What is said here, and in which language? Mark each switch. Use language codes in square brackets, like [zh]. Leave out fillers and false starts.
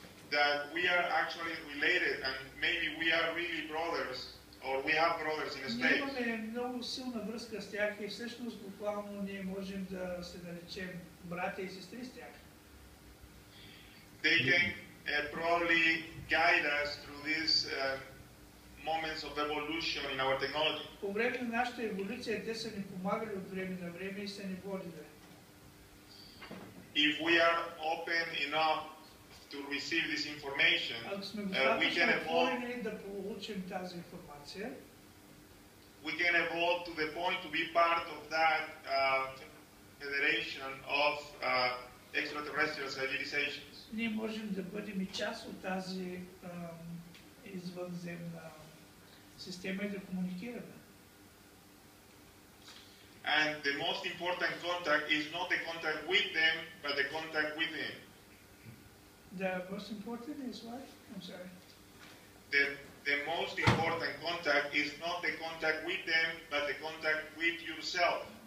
[en] That we are actually related and maybe we are really brothers or we have brothers in space. [bg] Ние имаме много силна връзка с тях и всъщност буквално ние можем да се наречем братя и сестри с тях. [en] they can probably guide us through these moments of evolution in our technology. [bg] По време на нашата еволюция те са ни помагали от време на време и са ни водили. [en] If we are open enough to receive this information, we can evolve. [bg] Да получим тази информация. [en] We can evolve to the point to be part of that federation of extraterrestrial civilizations. [bg] Ние можем да бъдем и част от тази извънземна система и да комуникираме. [en] And the most important contact is not the contact with them, but the contact within. The most important is what? I'm sorry. The most important contact is not the contact with them, but the contact with yourself.